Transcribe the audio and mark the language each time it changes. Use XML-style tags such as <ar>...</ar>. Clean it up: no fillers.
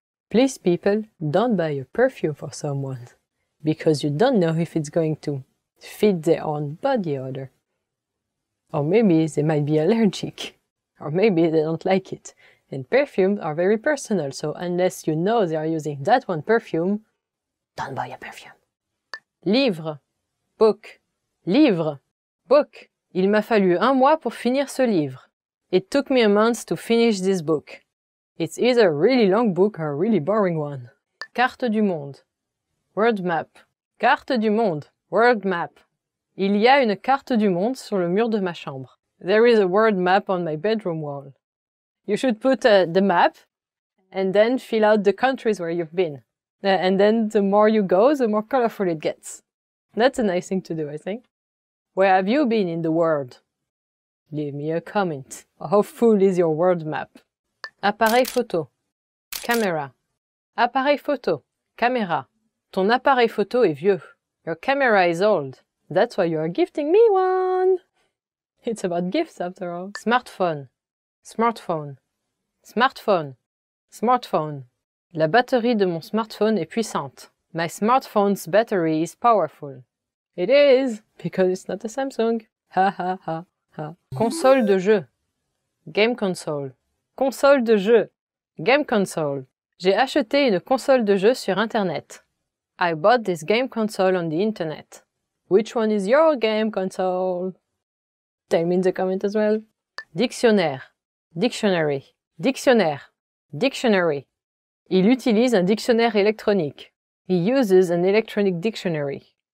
<en>Please, people, don't buy a perfume for someone because you don't know if it's going to fit their own body odor. Or maybe they might be allergic. Or maybe they don't like it. And perfumes are very personal, so unless you know they are using that one perfume, don't buy a perfume. Livre. Book. Livre. Book.</en> <fr>Il m'a fallu un mois pour finir ce livre.</fr> <en>It took me a month to finish this book. It's either a really long book or a really boring one. Carte du monde. World map. Carte du monde. World map.</en> <fr>Il y a une carte du monde sur le mur de ma chambre.</fr> <en>There is a world map on my bedroom wall. You should put the map and then fill out the countries where you've been. And then the more you go, the more colorful it gets. That's a nice thing to do, I think. Where have you been in the world? Leave me a comment. How full is your world map? Appareil photo. Camera. Appareil photo. Camera.</en> <fr>Ton appareil photo est vieux.</fr> <en>Your camera is old. That's why you are gifting me one. It's about gifts after all. Smartphone. Smartphone. Smartphone. Smartphone.</en> <fr>La batterie de mon smartphone est puissante.</fr> <en>My smartphone's battery is powerful. It is, because it's not a Samsung. Ha ha ha ha. Console de jeu. Game console. Console de jeu. Game console.</en> <fr>J'ai acheté une console de jeu sur Internet.</fr> <en>I bought this game console on the Internet. Which one is your game console? Tell me in the comment as well. Dictionnaire. Dictionary. Dictionnaire. Dictionary.</en> <fr>Il utilise un dictionnaire électronique.</fr> <en>He uses an electronic dictionary.</en>